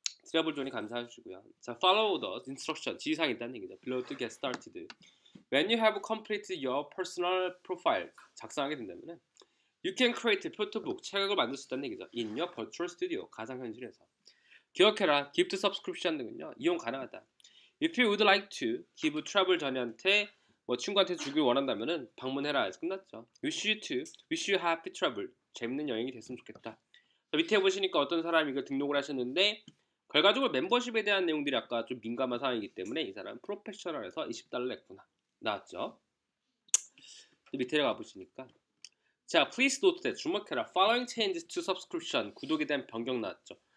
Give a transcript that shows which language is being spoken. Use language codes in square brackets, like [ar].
[ko] 트래블 존이 감사하시고요. 자, [en] follow the instruction, [ko] 지시사항이 있다는 얘기죠. [en] Below to get started. When you have completed your personal profile, [ko] 작성하게 된다면은 [en] You can create a photo book, [ko] 책을 만들 수 있다는 얘기죠. [en] In your virtual studio, [ko] 가상현실에서. 기억해라, [en] gift subscription [ko] 등은요, 이용 가능하다. [en] If you would like to give travel [ko] 전이한테, 뭐 친구한테 주길 원한다면 방문해라, 해서 끝났죠. [en] Wish you to, wish you happy travel, [ko] 재밌는 여행이 됐으면 좋겠다. 밑에 보시니까 어떤 사람이 이걸 등록을 하셨는데 결과적으로 멤버십에 대한 내용들이 아까 좀 민감한 상황이기 때문에 이 사람은 프로페셔널에서 20달러 냈구나 나왔죠. [en] 밑에 가보시니까 [ko] 자 [en] Please note that [ko] 주목해라 [en] Following changes to subscription [ko] 구독에 대한 변경 나왔죠.